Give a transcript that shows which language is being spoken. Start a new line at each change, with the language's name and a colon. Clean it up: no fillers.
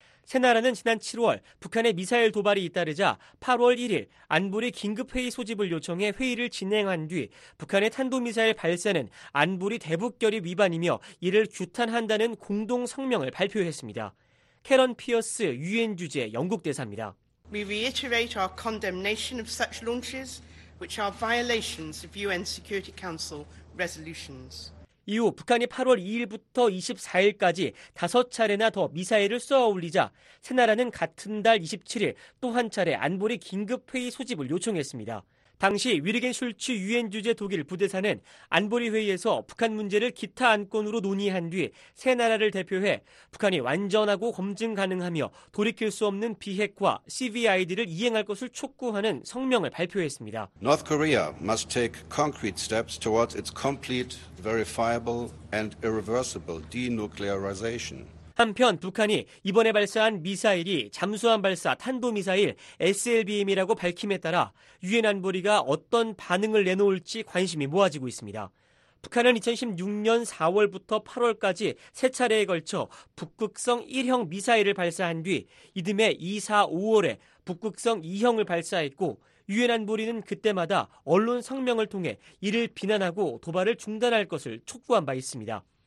Korean: 세 나라는 지난 7월 북한의 미사일 도발이 잇따르자 8월 1일 안보리 긴급회의 소집을 요청해 회의를 진행한 뒤 북한의 탄도미사일 발사는 안보리 대북결의 위반이며 이를 규탄한다는 공동 성명을 발표했습니다. 캐런 피어스 유엔 주재 영국 대사입니다.
English: We reiterate our condemnation of such launches which are violations of UN Security Council resolutions.
Korean: 이후 북한이 8월 2일부터 24일까지 5차례나 더 미사일을 쏘아 올리자 세 나라는 같은 달 27일 또 한 차례 안보리 긴급회의 소집을 요청했습니다. 당시 위르겐 슐츠 유엔 주재 독일 부대사는 안보리 회의에서 북한 문제를 기타 안건으로 논의한 뒤 세 나라를 대표해 북한이 완전하고 검증 가능하며 돌이킬 수 없는 비핵화 CVID를 이행할 것을 촉구하는 성명을 발표했습니다.
English: North Korea must take concrete steps towards its complete, verifiable and irreversible denuclearization.
Korean: 한편 북한이 이번에 발사한 미사일이 잠수함 발사 탄도미사일 SLBM이라고 밝힘에 따라 유엔 안보리가 어떤 반응을 내놓을지 관심이 모아지고 있습니다. 북한은 2016년 4월부터 8월까지 세 차례에 걸쳐 북극성 1형 미사일을 발사한 뒤 이듬해 2, 4, 5월에 북극성 2형을 발사했고 유엔 안보리는 그때마다 언론 성명을 통해 이를 비난하고 도발을 중단할 것을 촉구한 바 있습니다.